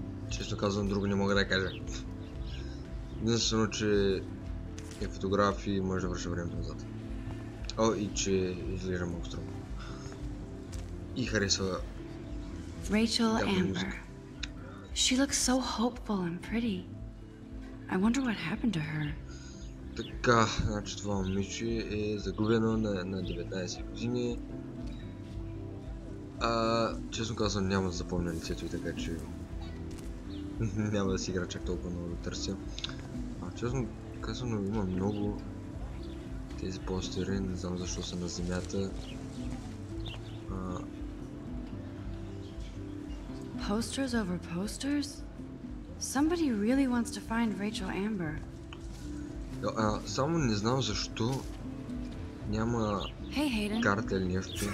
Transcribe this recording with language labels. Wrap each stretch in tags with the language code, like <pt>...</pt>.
<bg>Често казвам, друго не мога да кажа. Единствено, че е фотограф и може да върша време назад. О, и че изглежда много строго. И харесва.</bg> <en>Rachel Amber. She looks so hopeful and pretty. I wonder what happened to her.</en> <bg>Така, значи това момиче е загубено на 19 години. Честно казвам, няма да запомня лицето и така, че няма да си игра чак толкова много да търся. Честно казвам, има много тези постери, не знам защо са на земята.</bg> <en>Posters over posters? Somebody really wants to find Rachel Amber.</en> <bg>Само не знам защо няма карта или нещо.</bg>